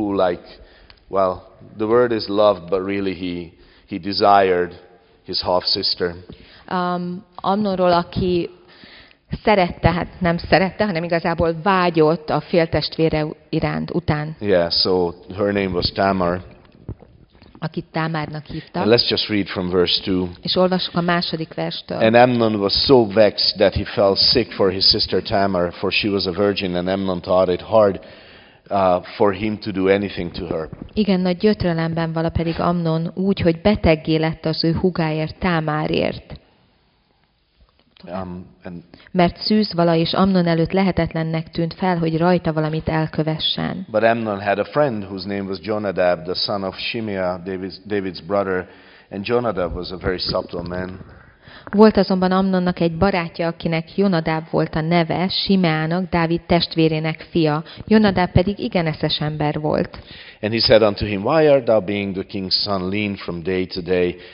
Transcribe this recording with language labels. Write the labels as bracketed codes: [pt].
[en] Who loved, the word is loved, but really he desired his half sister. [hu] Amnonról, aki szerette, hát nem szerette, hanem igazából vágyott a féltestvére iránt után. [en] Yeah, so her name was Tamar. [hu] Akit Tamárnak hívtak. [en] And let's just read from verse 2. [hu] És olvassuk a második verstől. [en] And Amnon was so vexed that he fell sick for his sister Tamar, for she was a virgin, and Amnon thought it hard for him to do anything to her. [hu] Igen, nagy gyötrelemben vala pedig Amnon úgy, hogy beteggé lett az ő húgáért, Tamárért. Mert szűz vala és Amnon előtt lehetetlennek tűnt fel, hogy rajta valamit elkövessen. [en] But Amnon had a friend whose name was Jonadab, the son of Shimea, David's brother, and Jonadab was a very subtle man. [hu] Volt azonban Amnonnak egy barátja, akinek Jonadab volt a neve, Simeának, Dávid testvérének fia. Jonadab pedig igen eszes ember volt. [en] And he said unto him, why art thou being the king's son lean from day to day?